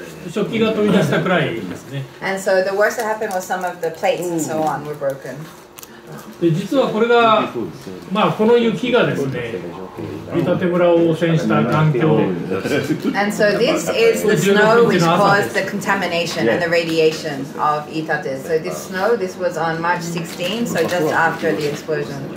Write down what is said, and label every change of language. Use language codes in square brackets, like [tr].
[ja] 食器が飛び出したくらいですね。 [en] And so the worst that happened was some of the plates and so on were broken. [ja] で、実はこれが、まあこの雪がですね、伊達村を汚染した環境。 [en] And so this is the snow which caused the contamination and the radiation of Itate. So this snow, this was on March 16, so just after the explosion.